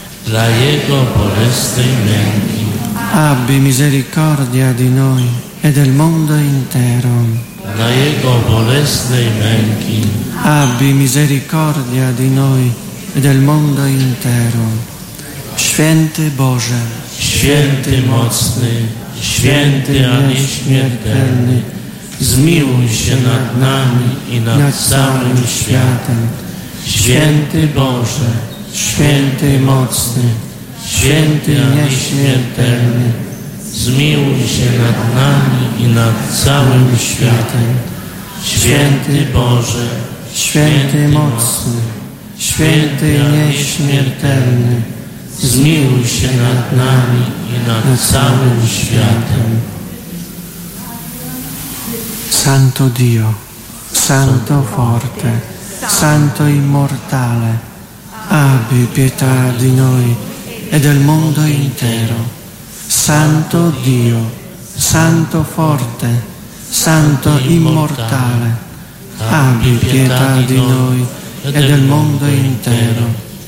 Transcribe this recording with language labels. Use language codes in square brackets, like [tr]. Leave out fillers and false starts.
[pl] Dla Jego bolesnej męki [it] abbi misericordia di noi e del mondo intero. [pl] Dla Jego bolesnej męki [it] abbi misericordia di noi e del mondo intero. [pl] Święty Boże, święty mocny, święty a nieśmiertelny, zmiłuj się nad nami i nad całym światem. Święty Boże, święty mocny, święty a nieśmiertelny, zmiłuj się nad nami i nad całym światem. Święty Boże, święty mocny, święty a nieśmiertelny, zmiłuj się nad nami i nad całym światem. [it] Santo Dio, santo forte, santo immortale, abbi pietà di noi e del mondo intero. Santo Dio, santo forte, santo immortale, abbi pietà di noi e del mondo intero.